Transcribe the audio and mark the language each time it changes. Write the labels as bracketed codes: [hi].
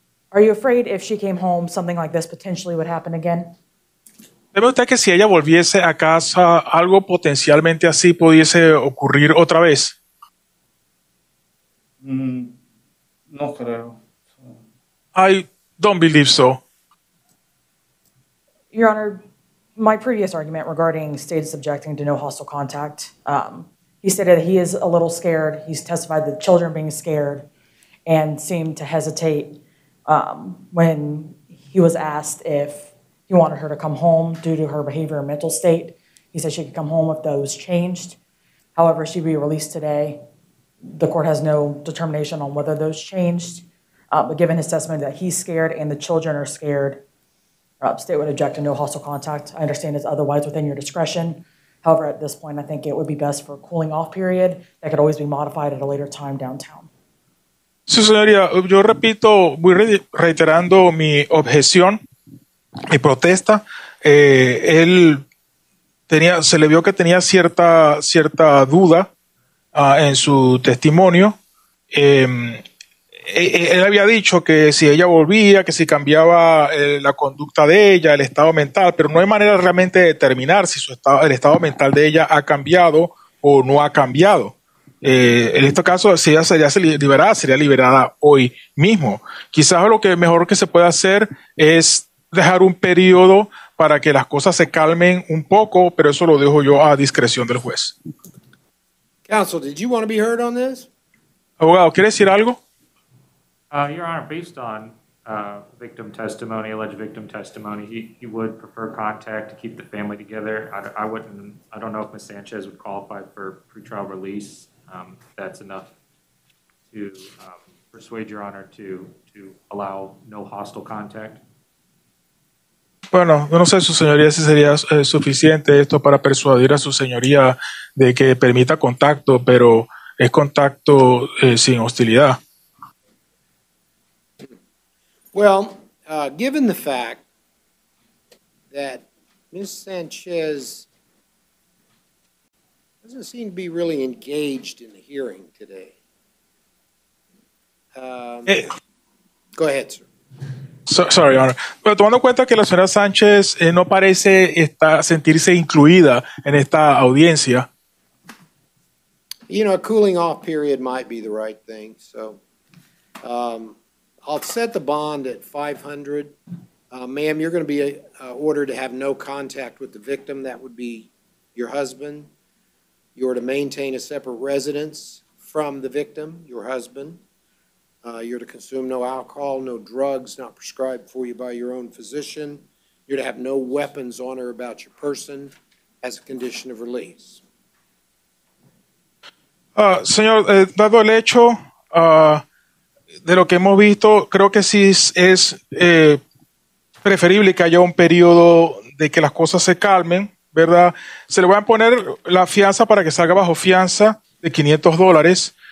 [en] Are you afraid if she came home, something like this potentially would happen again? [es] ¿Debe usted que si ella volviese a casa, algo potencialmente así pudiese ocurrir otra vez? No creo. [en] I don't believe so. Your Honor, my previous argument regarding state subjecting to no hostile contact, he stated that he is a little scared. He's testified the children being scared and seemed to hesitate when he was asked if he wanted her to come home due to her behavior and mental state. He said she could come home if those changed. However, she'd be released today. The court has no determination on whether those changed. But given his testimony that he's scared and the children are scared, state would object to no hostile contact. I understand it's otherwise within your discretion. However, at this point, I think it would be best for a cooling off period that could always be modified at a later time downtown. [es] Sí, señoría, yo repito, voy reiterando mi objeción, mi protesta. Él tenía, se le vio que tenía cierta duda en su testimonio. Él había dicho que si ella volvía, que si cambiaba la conducta de ella, el estado mental, pero no hay manera realmente de determinar si el estado mental de ella ha cambiado o no ha cambiado. En este caso, si ella ya se liberada, sería liberada hoy mismo. Quizás lo que mejor que se puede hacer es dejar un periodo para que las cosas se calmen un poco, pero eso lo dejo yo a discreción del juez. [en] Counsel, did you want to be heard on this? [es] Abogado, ¿quiere decir algo? [en] Your Honor, based on victim testimony, alleged victim testimony, he would prefer contact to keep the family together. I don't know if Ms. Sanchez would qualify for pretrial release. That's enough to persuade Your Honor to allow no hostile contact. [es] Bueno, no sé, su señoría, si sería suficiente esto para persuadir a su señoría de que permita contacto, pero es contacto sin hostilidad. [en] Well, given the fact that Ms. Sanchez doesn't seem to be really engaged in the hearing today. Go ahead, sir. Sorry, Your Honor. [es] Pero tomando en cuenta que la señora Sánchez no parece sentirse incluida en esta audiencia. [en] You know, a cooling off period might be the right thing. So, I'll set the bond at $500. Ma'am, you're going to be ordered to have no contact with the victim. That would be your husband. You're to maintain a separate residence from the victim, your husband. You're to consume no alcohol, no drugs, not prescribed for you by your own physician. You're to have no weapons on or about your person as a condition of release. [es] Señor, dado el hecho de lo que hemos visto, creo que sí es preferible que haya un periodo de que las cosas se calmen, ¿verdad? Se le va a poner la fianza para que salga bajo fianza de $500.